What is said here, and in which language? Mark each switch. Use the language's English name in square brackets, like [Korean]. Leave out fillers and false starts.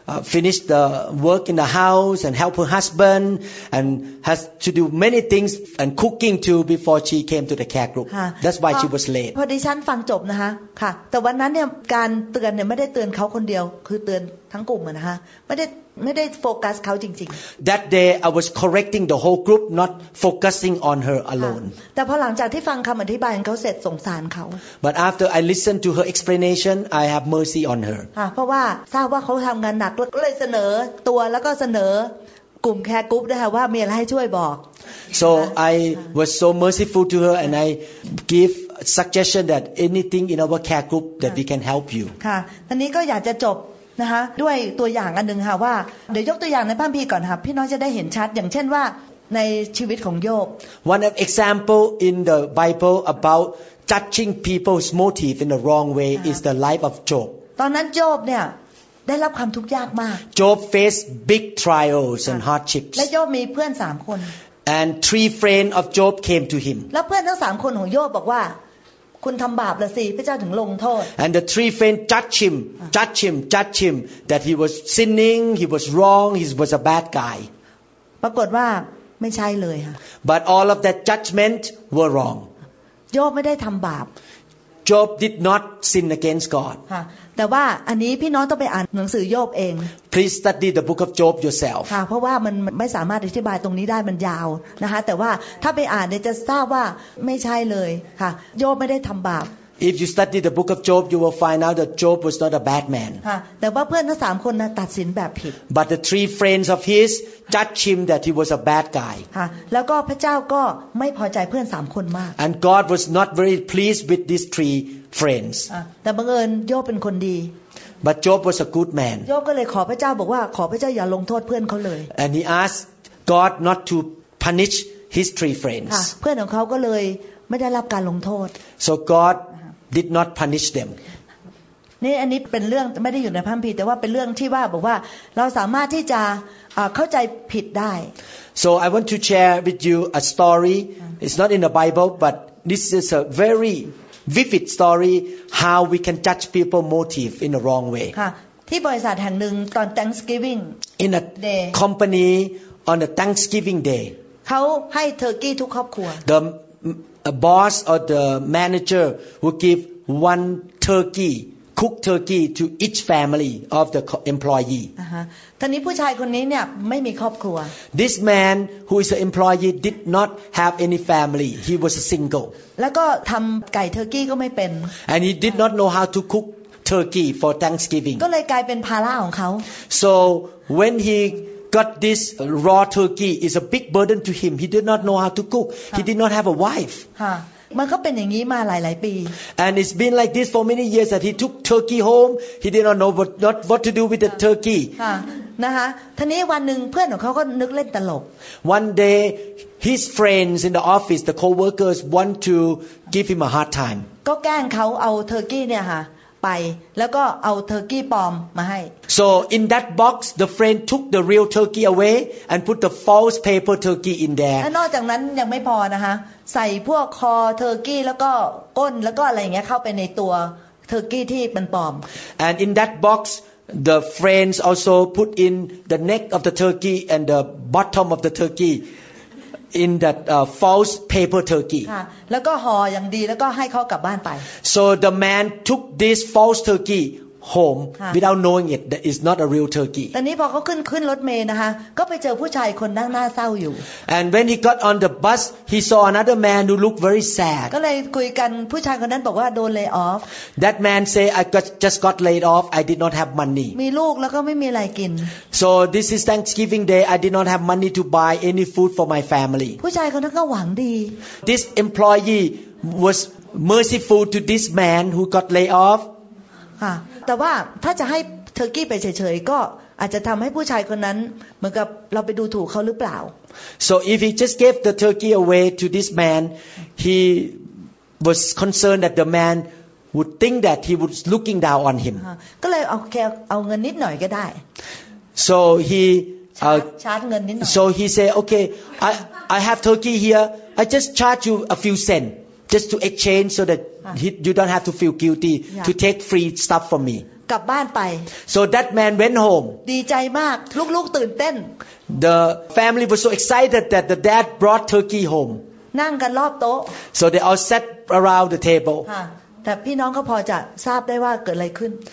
[English] Finish the work in the house and help her husband and has to do many things and cooking too before she came to the care group. That's why she was late. [Thai] พอดิฉันฟังจบนะคะค่ะแต่วันนั้นเนี่ยการเตือนเนี่ยไม่ได้เตือนเขาคนเดียวคือเตือนทั้งกลุ่มอ่ะนะคะไม่ได้โฟกัสเขาจริง [English] ๆ That day I was correcting the whole group not focusing on her alone [Thai] แต่พอหลังจากที่ฟังคำอธิบายของเขาเสร็จสงสารเขา [English] But after I listened to her explanation I have mercy on her [Thai] เพราะว่าทราบว่าเขาทำงานหนักก็เลยเสนอตัวแล้วก็เสนอกลุ่มแคร์กรุ๊ปนะคะว่ามีอะไรให้ช่วยบอก [English] So I was so merciful to her and I giveSuggestion that anything in our care group that we can help you. [Thai] ค่ะตอนนี้ก็อยากจะจบนะคะด้วยตัวอย่างอันนึงค่ะว่าเดี๋ยวยกตัวอย่างในพระคัมภีร์ก่อนค่ะพี่น้องจะได้เห็นชัดอย่างเช่นว่าในชีวิตของโยบ [English] One example in the Bible about judging people's motive in the wrong way is the life of Job. [Thai] ตอนนั้นโยบเนี่ยได้รับความทุกข์ยากมาก [English] Job faced big trials and hardships. [Thai] และโยบมีเพื่อน3คน [English] And three friends of Job came to him. [Thai] แล้วเพื่อนทั้ง3คนของโยบบอกว่าคุณทำบาปละสิพระเจ้าถึงลงโทษ [English] And the three friends judged him that he was sinning, he was wrong, he was a bad guy. [Thai] ปรากฏว่าไม่ใช่เลยค่ะ [English] But all of that judgment were wrong. [Thai] โยบไม่ได้ทำบาป [English] Job did not sin against God. [Thai] แต่ว่าอันนี้พี่น้องต้องไปอ่านหนังสือโยบเอง [English] Please study the book of Job yourself [Thai] ค่ะเพราะว่ามันไม่สามารถอธิบายตรงนี้ได้มันยาวนะคะแต่ว่าถ้าไปอ่านเนี่ยจะทราบว่าไม่ใช่เลยค่ะโยบไม่ได้ทำบาป [English] If you study the book of Job you will find out that Job was not a bad man [Thai] ค่ะแต่ว่าเพื่อนทั้ง3คนน่ะตัดสินแบบผิด [English] But the three friends of his judged him that he was a bad guy [Thai] ค่ะแล้วก็พระเจ้าก็ไม่พอใจเพื่อน3คนมาก [English] And God was not very pleased with these threeFriends. [Thai] แต่บังเอิญโยบเป็นคนดี [English] But Job was a good man. [Thai] โยบก็เลยขอพระเจ้าบอกว่าขอพระเจ้าอย่าลงโทษเพื่อนเขาเลย [English] And he asked God not to punish his three friends. [Thai] เพื่อนของเขาก็เลยไม่ได้รับการลงโทษ [English] So God did not punish them. [Thai] นี่อันนี้เป็นเรื่องไม่ได้อยู่ในพระคัมภีร์แต่ว่าเป็นเรื่องที่ว่าบอกว่าเราสามารถที่จะเข้าใจผิดได้ [English] So I want to share with you a story. It's not in the Bible, but this is a veryvivid story how we can judge people motive in the wrong way [Thai] ค่ะที่บริษัทแห่งหนึ่งตอน Thanksgiving [English] in a day company on the Thanksgiving day [Thai] เขาให้เทอร์กี้ทุกครอบครัว [English] the boss or the manager will give one turkey cooked turkey to each family of the employee [Thai] ท่านนี้ผู้ชายคนนี้เนี่ยไม่มีครอบครัว [English] this man who is an employee did not have any family he was a single [Thai] แล้วก็ทำไก่เทอร์กี้ก็ไม่เป็น [English] and he did not know how to cook turkey for Thanksgiving [Thai] ก็เลยกลายเป็นภาระของเขา [English] so when he got this raw turkey it's a big burden to him he did not know how to cook he did not have a wife [Thai] มันก็เป็นอย่างนี้มาหลายๆปี [English] and it's been like this for many years that he took turkey home he did not know what to do with the turkey [Thai] นะคะทีนี้วันนึงเพื่อนของเขาก็นึกเล่นตลก [English] one day his friends in the office the co-workers want to give him a hard time [Thai] ก็แกล้งเขาเอาเทอร์กี้เนี่ยค่ะไปแล้วก็เอาเทอร์กี้ปลอมมาให้ [English] So in that box the friend took the real turkey away and put the false paper turkey in there [Thai] และนอกจากนั้นยังไม่พอนะคะใส่พวกคอเทอร์กี้แล้วก็ก้นแล้วก็อะไรอย่างเงี้ยเข้าไปในตัวเทอร์กี้ที่มันปลอม [English] And in that boxThe friends also put in the neck of the turkey and the bottom of the turkey in that false paper turkey. [Thai] ค่ะแล้วก็ห่ออย่างดีแล้วก็ให้เขากลับบ้านไป [English] So the man took this false turkey home without knowing it that it's not a real turkey. [Thai] ตอนนี้พอเขาขึ้นรถเมล์นะคะก็ไปเจอผู้ชายคนนั่งหน้าเศร้าอยู่ [English] And when he got on the bus, he saw another man who looked very sad. [Thai] ก็เลยคุยกันผู้ชายคนนั้นบอกว่าโดน lay off. [English] That man say I just got laid off. I did not have money. [Thai] มีลูกแล้วก็ไม่มีอะไรกิน [English] So this is Thanksgiving day. I did not have money to buy any food for my family. [Thai] ผู้ชายคนนั้นก็หวังดี [English] This employee was merciful to this man who got laid off. [Thai] ค่ะแต่ว่าถ้าจะให้เทอร์กี้ไปเฉยๆก็อาจจะทำให้ผู้ชายคนนั้นเหมือนกับเราไปดูถูกเขาหรือเปล่า [English] So if he just gave the turkey away to this man he was concerned that the man would think that he was looking down on him [Thai] ก็เลยโอเคเอาเงินนิดหน่อยก็ได้ [English] So he [Thai] ชาร์จเงินนิดหน่อย [English] So he said okay I have turkey here I just charge you a few cents just to exchange so thatYou don't have to feel guilty to take free stuff from me. [Thai] กลับบ้านไป [English] So that man went home. [Thai] ดีใจมากลูกๆตื่นเต้น [English] The family was so excited that the dad brought turkey home. [Thai] นั่งกันรอบโต๊ะ [English] So they all sat around the table. [Thai] ค่ะแต่พี่น้องก็พอจะทราบได้ว่าเกิดอะไรขึ้น